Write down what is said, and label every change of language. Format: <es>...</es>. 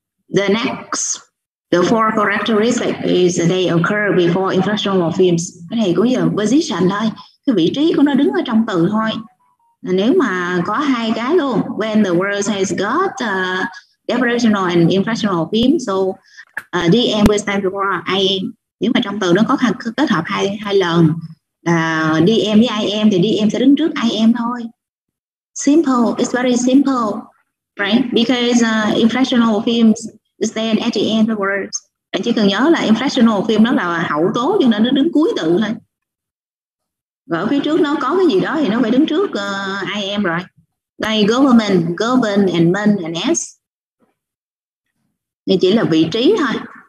<en>The next, the four characteristic is they occur before inflection morphemes.</en> <vi>Cái này cũng như là position thôi, cái vị trí của nó đứng ở trong từ thôi. Nếu mà có hai cái luôn,</vi> <en>when the word has got definitional and inflectional morphemes, so DM will stand before IM.</en> <vi>Nếu mà trong từ nó có kết hợp hai lần DM với IM thì DM sẽ đứng trước IM thôi.</vi> <en>Simple, it's very simple, right? Because inflectional morphemes stand at the end of words.</en> <vi>Chỉ cần nhớ là inflectional morpheme nó là hậu tố cho nên nó đứng cuối từ thôi. Và ở phía trước nó có cái gì đó thì nó phải đứng trước IM rồi. Đây government, govern and men and s. Nên chỉ là vị trí thôi.</vi>